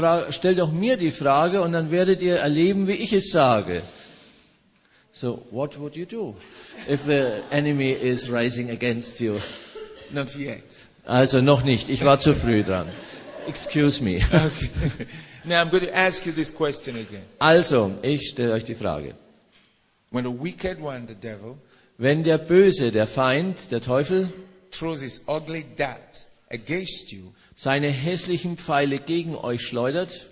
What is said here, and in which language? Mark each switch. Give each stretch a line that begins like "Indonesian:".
German: Stell doch mir die Frage und dann werdet ihr erleben, wie ich es sage.
English: So, what would you do if the enemy is rising against you? Not yet.
German: Also noch nicht. Ich war zu früh dran.
English: Excuse me. Okay. Now I'm going to ask you this question again.
German: Also, ich stelle euch die Frage.
English: When the wicked one, the devil,
German: wenn der Böse, der Feind, der Teufel,
English: throws his ugly darts against you,
German: seine hässlichen Pfeile gegen euch schleudert,